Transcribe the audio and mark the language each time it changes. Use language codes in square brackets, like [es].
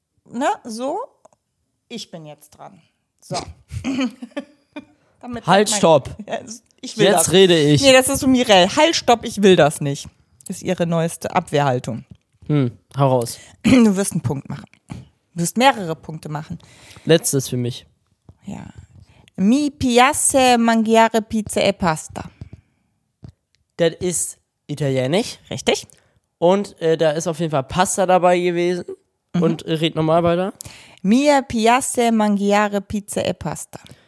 [de] Ne, so. Ich bin jetzt dran. So. Damit halt, stopp. Ich will jetzt das. Rede ich. Nee, das ist so Mireille. Halt, stopp, ich will das nicht. Ist ihre neueste Abwehrhaltung. Hau raus. Du wirst einen Punkt machen. Du wirst mehrere Punkte machen. Letztes für mich. Ja. [it] Mi piace mangiare pizza e pasta. [de] Das ist italienisch. Richtig. Und da ist auf jeden Fall Pasta dabei gewesen. Mhm. Und red nochmal weiter. [it] Mir piace mangiare pizza e pasta.